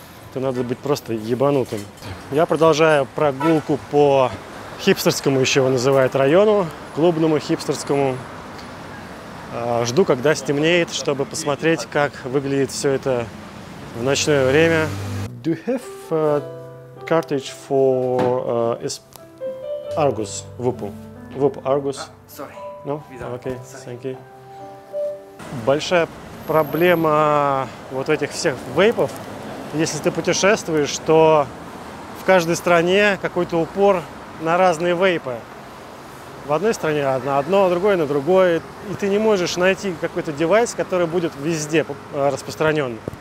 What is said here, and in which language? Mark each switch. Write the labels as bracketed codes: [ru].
[ru] Это надо быть просто ебанутым. Я продолжаю прогулку по хипстерскому, еще его называют, району. Клубному хипстерскому. Жду, когда стемнеет, чтобы посмотреть, как выглядит все это в ночное время. [en] Do you have cartridge for Argus? Whoop Argus? Sorry. No? Okay, thank you. [ru] Большая проблема вот этих всех вейпов, если ты путешествуешь, то в каждой стране какой-то упор на разные вейпы. В одной стране на одно, а другое на другое. И ты не можешь найти какой-то девайс, который будет везде распространен.